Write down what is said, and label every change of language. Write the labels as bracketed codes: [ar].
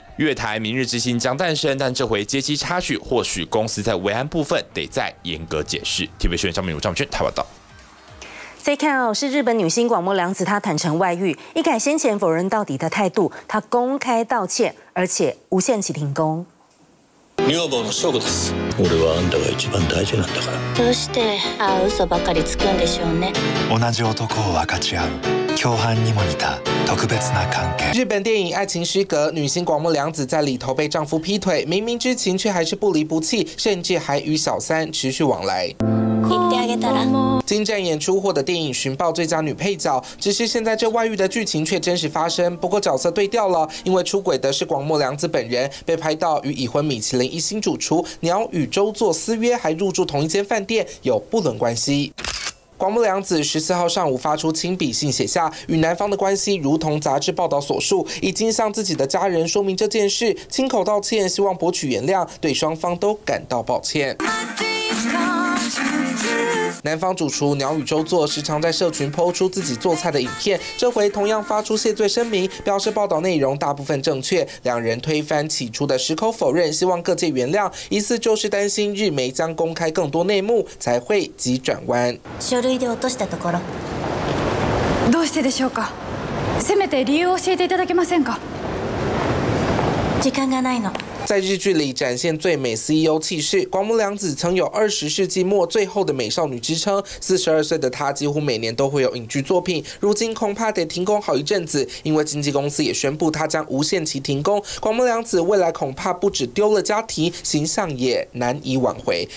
[zh] 乐坛明日之星将诞生，但这回接机插曲，或许公司在维安部分得再严格解释。 TVBS 新闻张明如、张明君台报道。再看哦，是日本女星广末凉子，她坦诚外遇，一改先前否认到底的态度，她公开道歉，而且无限期停工。 [ja] 女房の処分です。俺はあんたが一番大事なんだから。どうしてああ嘘ばかりつくんでしょうね。同じ男を分かち合う。共犯にも似た特別な関係。 [zh] 日本电影《爱情失格》，女星广末凉子在里头被丈夫劈腿，明明知情却还是不离不弃，甚至还与小三持续往来。精湛演出获得电影寻报最佳女配角，只是现在这外遇的剧情却真实发生，不过角色对调了，因为出轨的是广末凉子本人，被拍到与已婚米其林一星主厨鸟与周作私约，还入住同一间饭店，有不伦关系。广末凉子14号上午发出亲笔信，写下与男方的关系如同杂志报道所述，已经向自己的家人说明这件事，亲口道歉，希望博取原谅，对双方都感到抱歉。男方主厨鸟与周作时常在社群PO出自己做菜的影片，这回同样发出谢罪声明，表示报道内容大部分正确，两人推翻起初的矢口否认，希望各界原谅，疑似就是担心日媒将公开更多内幕才会急转弯。 [ja] 書類で落としたところ。どうしてでしょうか？せめて理由を教えていただけませんか？時間がないの。 [zh] 在日剧里展现最美 CEO 气势，广末凉子曾有二十世纪末最后的美少女之称。 42岁的她几乎每年都会有影剧作品，如今恐怕得停工好一阵子，因为经纪公司也宣布她将无限期停工。广末凉子未来恐怕不止丢了家庭，形象也难以挽回。